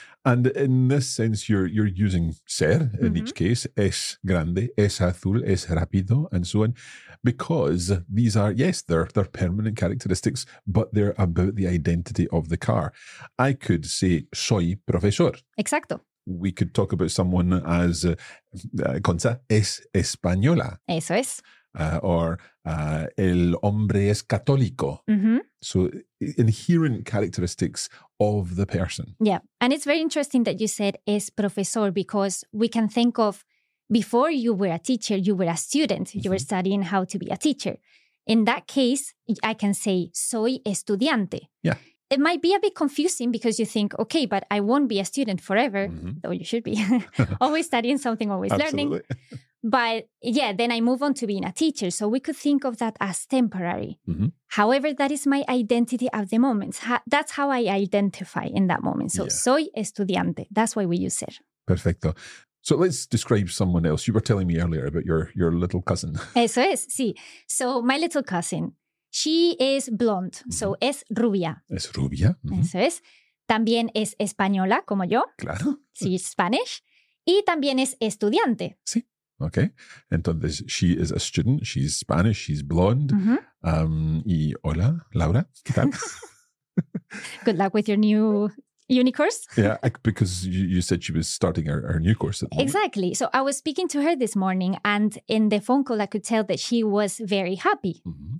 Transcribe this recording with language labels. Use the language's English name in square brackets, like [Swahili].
[English] And in this sense, you're using ser in mm-hmm. each case, [Spanish] es grande, es azul, es rápido, [English] and so on, because these are, yes, they're permanent characteristics, but they're about the identity of the car. I could say [Spanish] soy profesor. Exacto. [English] We could talk about someone as, Concha, [Spanish] es española. Eso es. Or el hombre es católico. Mm-hmm. [English] So inherent characteristics of the person. Yeah. And it's very interesting that you said [Spanish] es profesor [English] because we can think of before you were a teacher, you were a student. Mm-hmm. You were studying how to be a teacher. In that case, I can say [Spanish] soy estudiante. [English] Yeah. It might be a bit confusing because you think, okay, but I won't be a student forever, mm-hmm. though you should be. Always studying something, always learning. But yeah, then I move on to being a teacher. So we could think of that as temporary. Mm-hmm. However, that is my identity at the moment. That's how I identify in that moment. So yeah. [Spanish] Soy estudiante. [English] That's why we use ser. [Spanish] Perfecto. [English] So let's describe someone else. You were telling me earlier about your little cousin. [Spanish] Eso es, sí. [English] So my little cousin, she is blonde. [Spanish] Mm-hmm. So es rubia. Es rubia. Mm-hmm. Eso es. También es española, como yo. Claro. Sí, Spanish. Y también es estudiante. Sí. [English] Okay, entonces she is a student, she's Spanish, she's blonde. [Spanish] Mm-hmm. Y hola, Laura, ¿qué tal? [English] Good luck with your new uni course. Yeah, because you said she was starting her new course. Exactly. So I was speaking to her this morning and in the phone call I could tell that she was very happy. Mm-hmm.